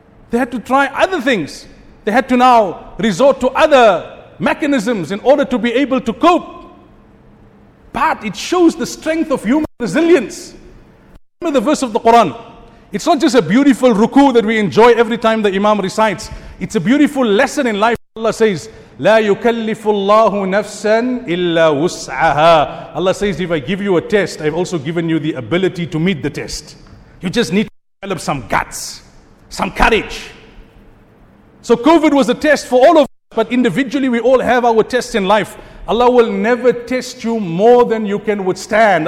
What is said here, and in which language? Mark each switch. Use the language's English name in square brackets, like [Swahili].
[English] They had to try other things. They had to now resort to other mechanisms in order to be able to cope. But it shows the strength of human resilience. Remember the verse of the Quran. It's not just a beautiful ruku that we enjoy every time the Imam recites. It's a beautiful lesson in life. Allah says, [Arabic] لا يكلف الله نفسا إلا وسعها. [English] Allah says, if I give you a test, I've also given you the ability to meet the test. You just need to develop some guts, some courage. So COVID was a test for all of us, but individually we all have our tests in life. Allah will never test you more than you can withstand.